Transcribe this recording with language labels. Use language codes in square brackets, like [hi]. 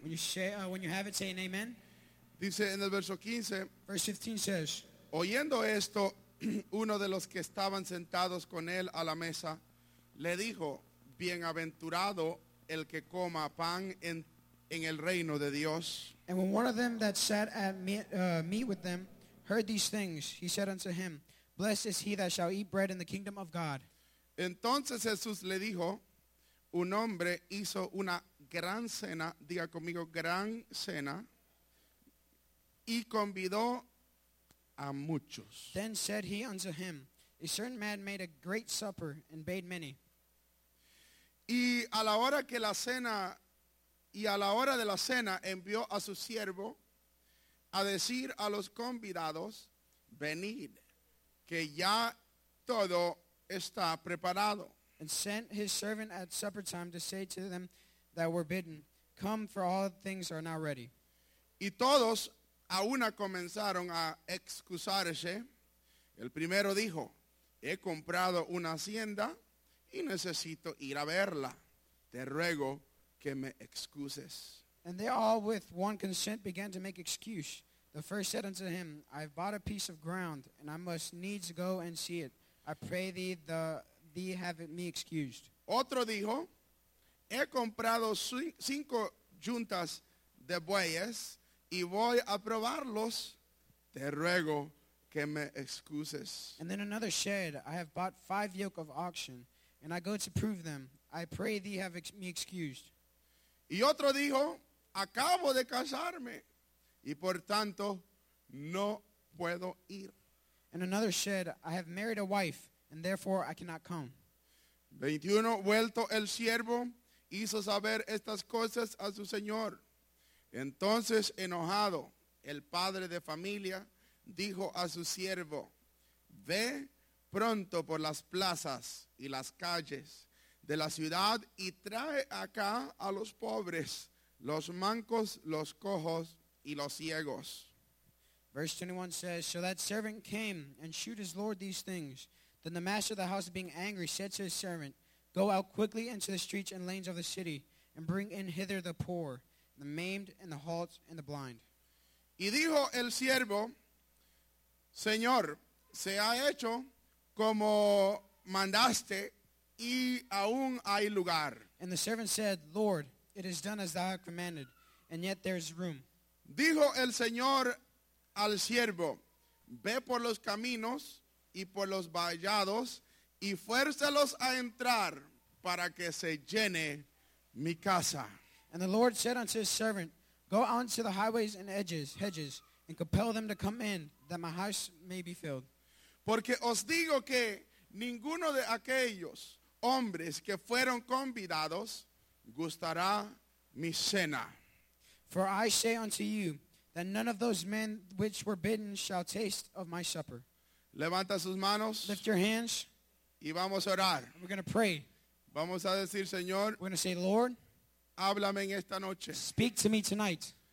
[en] When you have it, say an amen. [es] Dice en el verso 15. [en] Verse 15 says. [es] Oyendo esto, uno de los que estaban sentados con él a la mesa, le dijo, bienaventurado el que coma pan en el reino de Dios. [en] And when one of them that sat at meat with them heard these things, he said unto him, blessed is he that shall eat bread in the kingdom of God. [es] Entonces Jesús le dijo, un hombre hizo una gran cena, diga conmigo, gran cena, y convidó a muchos. [en] Then said he unto him, a certain man made a great supper and bade many. [es] Y a la hora que la cena... Y a la hora de la cena envió a su siervo a decir a los convidados, venid, que ya todo está preparado. And sent his servant at supper time to say to them that were bidden, come, for all things are now ready. Y todos a una comenzaron a excusarse. El primero dijo, he comprado una hacienda y necesito ir a verla. Te ruego que me excuses. [en] And they all with one consent began to make excuse. The first said unto him, I have bought a piece of ground, and I must needs go and see it. I pray thee, thee have me excused. [es] Otro dijo, he comprado 5 yuntas de bueyes, y voy a probarlos. Te ruego que me excuses. [en] And then another said, I have bought 5 yoke of oxen, and I go to prove them. I pray thee have me excused. [es] Y otro dijo, acabo de casarme, y por tanto, no puedo ir. [en] And another said, I have married a wife, and therefore I cannot come. [es] 21, vuelto el siervo, hizo saber estas cosas a su señor. Entonces, enojado, el padre de familia dijo a su siervo, ve pronto por las plazas y las calles de la ciudad y trae acá a los pobres, los mancos, los cojos y los ciegos. [en] Verse 21 says, so that servant came and shewed his lord these things. Then the master of the house, being angry, said to his servant, go out quickly into the streets and lanes of the city, and bring in hither the poor, the maimed, and the halt, and the blind. [es] Y dijo el siervo, señor, se ha hecho como mandaste, y aún hay lugar. [en] And the servant said, Lord, it is done as thou hast commanded, and yet there is room. [es] Dijo el Señor al siervo, ve por los caminos y por los vallados, y fuérzalos a entrar para que se llene mi casa. [en] And the Lord said unto his servant, go unto the highways and hedges, and compel them to come in, that my house may be filled. [es] Porque os digo que ninguno de aquellos hombres que fueron convidados gustará mi cena. [en] For I say unto you that none of those men which were bidden shall taste of my supper. [es] Levanta sus manos. [en] Lift your hands. [es] Y vamos a orar. [en] And we're going to pray. [es] Vamos a decir, Señor. [en] We're going to say, Lord. [es] Háblame en esta noche. [en] Speak to me tonight.